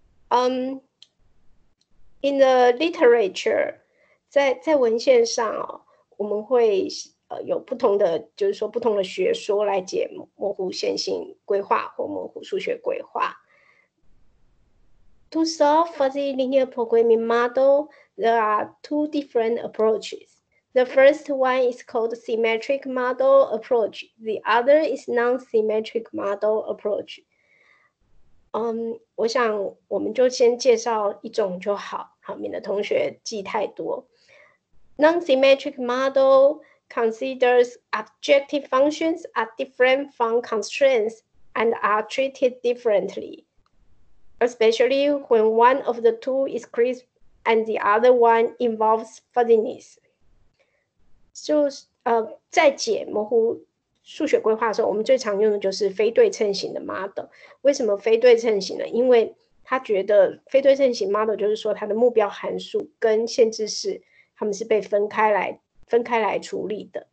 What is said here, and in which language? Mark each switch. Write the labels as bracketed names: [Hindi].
[English] In the literature, [Chinese] 在文献上，我们会 有不同的学说来解模糊线性规划或模糊数学规划。 [English] To solve fuzzy linear programming model, there are two different approaches. The first one is called symmetric model approach. The other is non-symmetric model approach. [Chinese] 我想我们就先介绍一种就好，免得同学记太多。 [English] Non-symmetric model considers objective functions are different from constraints and are treated differently. especially when one of the two is crisp and the other one involves fuzziness. [Chinese] 就在解模糊数学规划的时候，我们最常用的就是非对称型的 model。为什么非对称型呢？因为他觉得非对称型 model 就是说它的目标函数跟限制式他们是被分开来处理的。